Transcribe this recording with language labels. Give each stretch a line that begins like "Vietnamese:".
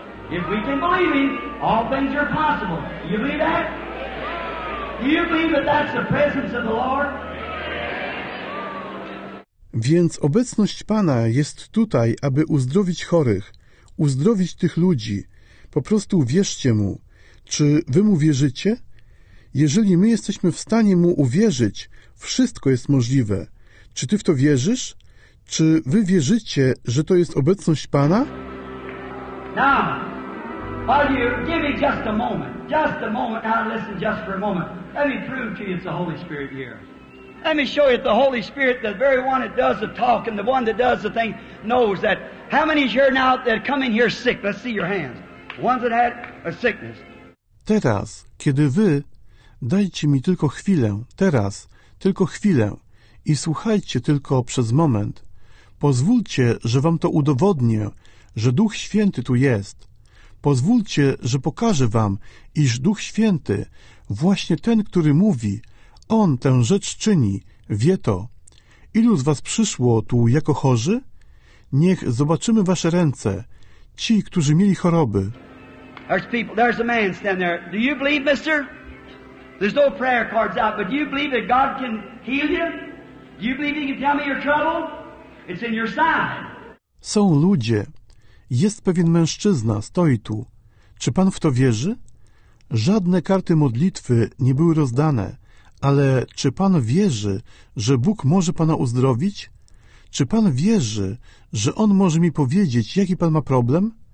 English: If we can believe him, all things are possible. Do you believe that? Do you believe that that's the presence of the Lord?
Polish: Więc obecność Pana jest tutaj, aby uzdrowić chorych, uzdrowić tych ludzi. Po prostu wierzcie mu. Czy wy mu wierzycie? Jeżeli my jesteśmy w stanie mu uwierzyć, wszystko jest możliwe. Czy ty w to wierzysz? Czy wy wierzycie, że to jest obecność Pana?
English: Now, give me just a moment. Now listen just for a moment. Let me prove to you it's the Holy Spirit here. Let me show you that the Holy Spirit, the very one that does the talk and the one that does the thing, knows that. How many here now that come in here sick? Let's see your hands. Ones that had a sickness.
Polish: Teraz, kiedy wy, dajcie mi tylko chwilę, teraz, tylko chwilę i słuchajcie tylko przez moment. Pozwólcie, że wam to udowodnię, że Duch Święty tu jest. Pozwólcie, że pokażę wam, iż Duch Święty, właśnie ten, który mówi, on tę rzecz czyni, wie to. Ilu z was przyszło tu jako chorzy? Niech zobaczymy wasze ręce, ci, którzy mieli choroby.
English: There's people, there's a man standing there. Do you believe, mister? There's no prayer cards out, but do you believe that God can heal you? Do you believe he can tell me your trouble? It's in your side.
Polish: Są ludzie. Jest pewien mężczyzna, stoi tu. Czy pan w to wierzy? Żadne karty modlitwy nie były rozdane, ale czy pan wierzy, że Bóg może pana uzdrowić? Czy pan wierzy, że on może mi powiedzieć, jaki pan ma problem?